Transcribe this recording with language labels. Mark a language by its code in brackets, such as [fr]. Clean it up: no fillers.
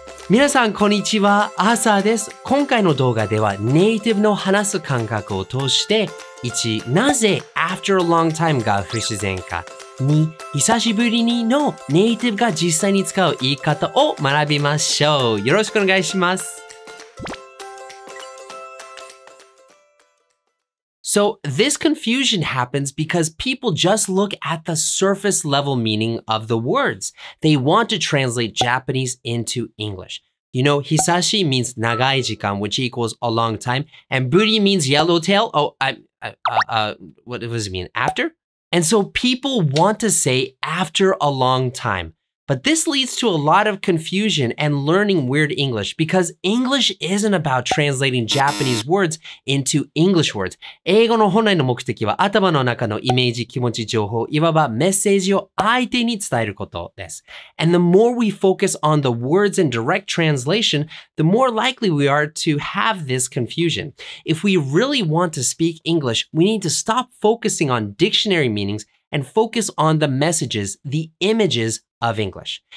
[ja] みなさんこんにちは、アーサーです。今回の動画ではネイティブの話す感覚を通して、1. なぜ [en] after a long time [ja] が不自然か、2. 久しぶりにのネイティブが実際に使う言い方を学びましょう。よろしくお願いします。 [en] So this confusion happens because people just look at the surface level meaning of the words. They want to translate Japanese into English. You know, hisashi means 長い時間, which equals a long time, and buri means yellowtail. What does it mean? After? And so people want to say after a long time. But this leads to a lot of confusion and learning weird English because English isn't about translating Japanese words into English words. [ja] 英語の本来の目的は頭の中のイメージ、気持ち、情報、いわばメッセージを相手に伝えることです。 [en] And the more we focus on the words in direct translation, the more likely we are to have this confusion. If we really want to speak English, we need to stop focusing on dictionary meanings and focus on the messages, the images,of English.